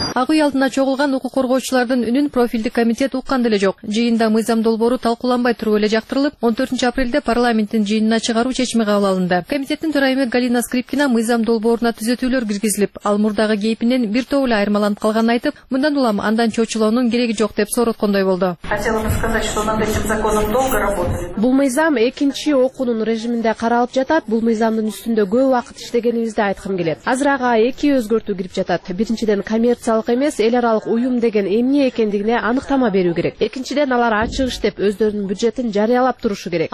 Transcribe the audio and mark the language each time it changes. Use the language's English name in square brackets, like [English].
[Kyrgyz] Ак үй алдына чогулган укук коргоочулардын үнүн профилдик комитет уккан деле жок. Жыйында мыйзам долбоору талкууланбай туруп эле жактырылып, 14 апрелде парламенттин жыйынына чыгаруу чечими кабыл алынды. Комитеттин төрайымы Галина Скрипкина мыйзам долбооруна түзөтүүлөр киргизилип, ал мурдагы кейпинен бир топ эле айырмаланып калганын айтып, мындан улам андан чоочулоонун кереги жок деп сооруткондой болду. [Russian] Хотела бы сказать, что над этим законом долго работали. [Kyrgyz] Бул мыйзам экинчи окуунун режиминде каралып жатат. Бул мыйзамдын үстүндө көп убакыт иштегенибизди айткым келет. Азыр ага эки өзгөртүү кирип жатат. Биринчиден коммерциялык эмес эл аралык уюм деген эмне экендигине аныктама берүү керек. Экинчиден алар ачык иштеп өздөрүнүн бюджетин жарыялап турушу керек.